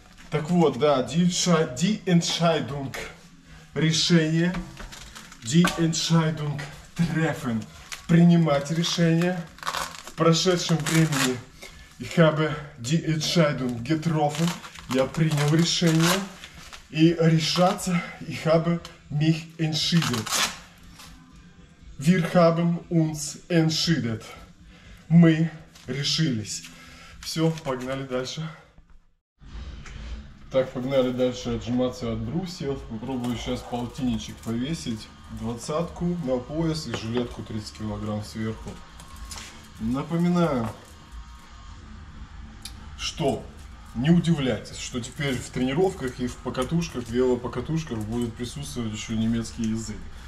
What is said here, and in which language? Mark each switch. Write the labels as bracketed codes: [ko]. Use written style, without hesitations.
[ru] Так вот, да, die Entscheidung, решение, [de] die Entscheidung treffen, [ru] принимать решение. В прошедшем времени [de] ich habe die Entscheidung getroffen, [ru] я принял решение, и решаться [de] ich habe mich entschieden, wir haben uns entschieden, [ru] мы решились. Все, погнали дальше. Так, погнали дальше отжиматься от брусьев. Попробую сейчас полтинничек повесить. Двадцатку на пояс и жилетку 30 килограмм сверху. Напоминаю, что не удивляйтесь, что теперь в тренировках и в покатушках, в велопокатушках будет присутствовать еще немецкий язык.